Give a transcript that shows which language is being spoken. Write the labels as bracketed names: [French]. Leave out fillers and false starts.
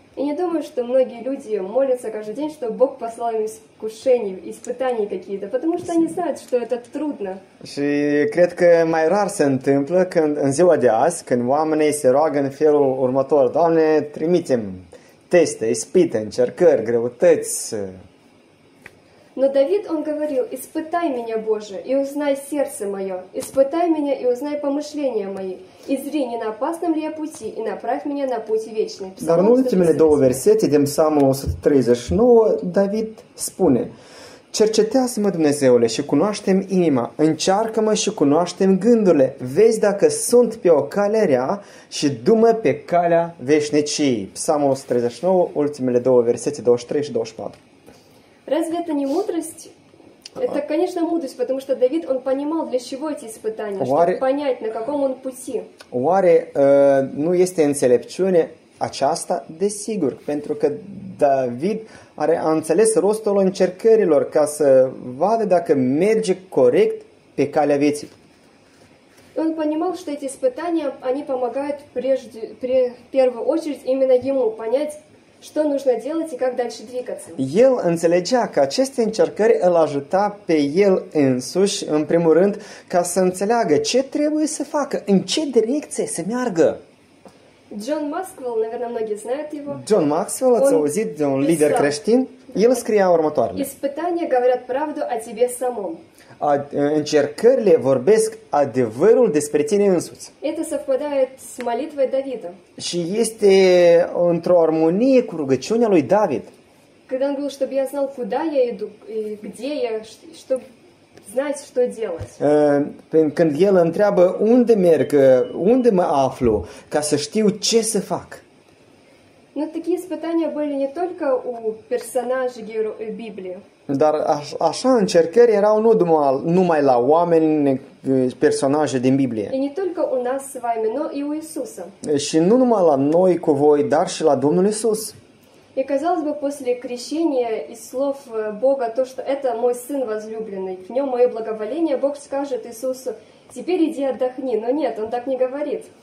[Russian] И не думаю, что многие люди молятся каждый день, чтобы Бог послал им искушения, испытания какие-то, потому что они знают, что это трудно. [Romanian] Și cred că mai rar se întâmplă când în ziua de azi, când oamenii se roagă în felul următor: Doamne, trimite-mi teste, ispite, încercări, greutăți. [Russian] Но Давид, он говорил: «Испытай меня, Боже, и узнай сердце мое, испытай меня, и узнай помышления мои, и зри, не на опасном ли я пути, и направь меня на путь вечный». [Romanian] Dar în ultimele două versete, din Psalmul 139, David spune: «Cercetează-mă, Dumnezeule, și cunoaște-mi inima, încearcă-mă și cunoaște-mi gândurile, vezi dacă sunt pe o cale rea și du-mă pe calea veșniciei». Psalmul 139, ultimele două versete, 23 și 24. [Russian] Разве это не мудрость? Это, конечно, мудрость, потому что Давид, он понимал, для чего эти испытания, чтобы понять, на каком он пути. [Romanian] Oare nu este înțelepciune aceasta? Desigur, pentru că David are, a înțeles rostul încercărilor ca să vadă dacă merge corect pe calea vieții. [Russian] Он понимал, что эти испытания, они помогают прежде, при первую очередь именно ему понять, что нужно делать и как дальше двигаться. [Romanian] El înțelegea că aceste încercări îl ajuta пe el însuși, în primul rând, ca să înțeleagă ce trebuie să facă, în ce direcție să meargă. [Russian] John Maxwell, наверное, многие знают его. [Romanian] John Maxwell, ați auzit de un лидер creștin? El scria următoarele. [Russian] Испытания говорят правду о тебе самом. [Romanian] Încercările vorbesc adevărul despre tine însuți. [Russian] Это совпадает с молитвой Давида. [Romanian] Și este într-o armonie cu rugăciunea lui David. Când am spus, [Russian] чтобы я знал, куда я иду, где я, чтобы знать, что делать. [Romanian] Când el întreabă unde merg, unde mă aflu, ca să știu ce să fac. [Russian] Но такие испытания были не только у персонажей героев Библии. [Romanian] Dar așa încercări erau nu numai la oameni, personaje din Biblie. [Russian] И не только у нас с вами, но и у Иисуса. [Romanian] Și nu numai la noi cu voi, dar și la Domnul Iisus. [Russian] И казалось бы, после крещения и слов Бога, то, что это мой сын возлюбленный, в нем мое благоволение, Бог скажет Иисусу, теперь иди отдохни, но нет, он так не говорит.